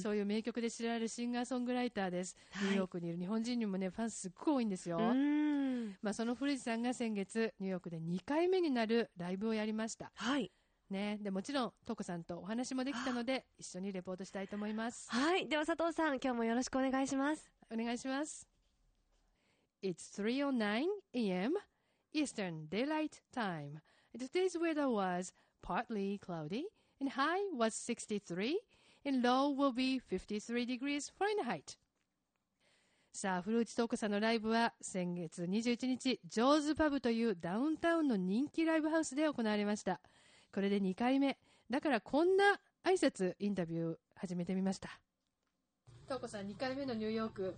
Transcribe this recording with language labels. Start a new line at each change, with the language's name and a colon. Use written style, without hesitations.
Japanese: そういう名曲で知られるシンガーソングライターです、はい、ニューヨークにいる日本人にもねファンすっごく多いんですよ。うん、まあ、その古内さんが先月ニューヨークで2回目になるライブをやりました。はい、ね、でもちろん徳さんとお話もできたので一緒にレポートしたいと思います。はい、では佐藤さん、今日もよろしくお願いします。お願いします。
English: It's 3:09 AM Eastern Daylight Time. Today's weather was partly cloudy and high was 63 and low will be 53 degrees Fahrenheit.
Japanese: さあ、古内桃子さんのライブは先月21日、ジョーズパブというダウンタウンの人気ライブハウスで行われました。これで2回目。だからこんな挨拶、インタビュー始めてみました。桃子さん、2回目のニューヨーク。